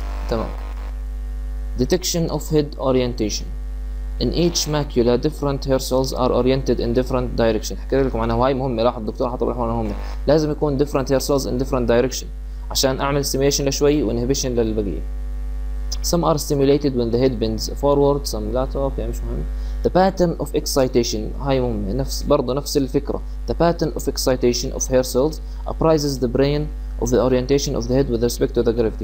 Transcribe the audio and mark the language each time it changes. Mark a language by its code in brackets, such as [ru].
[ar] تمام، [en] Detection of head orientation. In each macula different hair cells are oriented in different direction. [ar] حكيت لكم عنها وهي مهمة، لاحظ الدكتور حط لي هون مهمة، لازم يكون [en] different hair cells in different direction [ar] عشان اعمل stimulation لشوي وانهبيشن للبقية. [en] Some are stimulated when the head bends forward, some lateral. [ar] يعني مش مهم. [en] The pattern of excitation [ar] هاي مهمة، نفس برضه نفس الفكرة. [en] The pattern of excitation of hair cells apprises the brain of the orientation of the head with respect to the gravity.